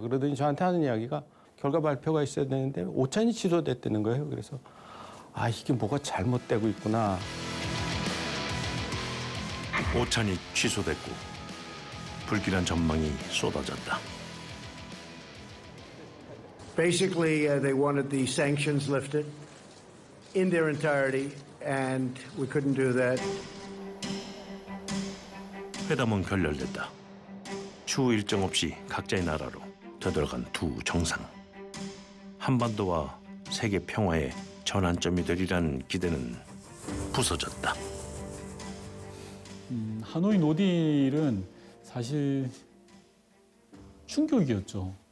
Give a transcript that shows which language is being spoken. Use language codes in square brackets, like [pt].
[ko] 그러더니 저한테 하는 이야기가 결과 발표가 있어야 되는데 오찬이 취소됐다는 거예요. 그래서 아 이게 뭐가 잘못되고 있구나. 오찬이 취소됐고 불길한 전망이 쏟아졌다. [en] Basically, they wanted the sanctions lifted in their entirety, and we couldn't do that. [ko] 회담은 결렬됐다. 추후 일정 없이 각자의 나라로 되돌아간 두 정상. 한반도와 세계 평화의 전환점이 되리라는 기대는 부서졌다. 하노이 노딜은 사실 충격이었죠.